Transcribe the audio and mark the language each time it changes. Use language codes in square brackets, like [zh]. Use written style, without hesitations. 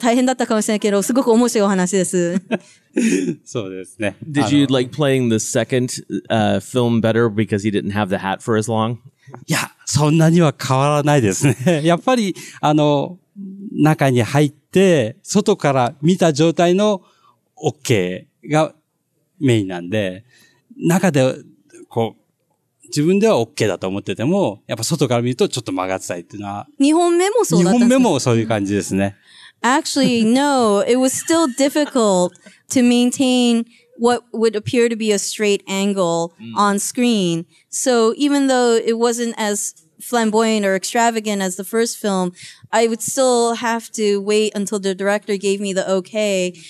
[ja] 僕も全然知らなかったです。結構、吉田さんにとっては大変だったかもしれないけど、すごく面白いお話です。そうですね。 [en] Did you like playing the second film better because he didn't have the hat for as long? [ja] いや、そんなには変わらないですね。やっぱり、中に入って、外から見た状態のOKがメインなんで、中で、こう、自分ではOKだと思ってても、やっぱ外から見るとちょっと曲がってたりっていうのは、2本目もそうだったんですね。2本目もそういう感じですね。 [en] Actually, no, it was still difficult to maintain what would appear to be a straight angle on screen. So even though it wasn't as flamboyant or extravagant as the first film, I would still have to wait until the director gave me the okay.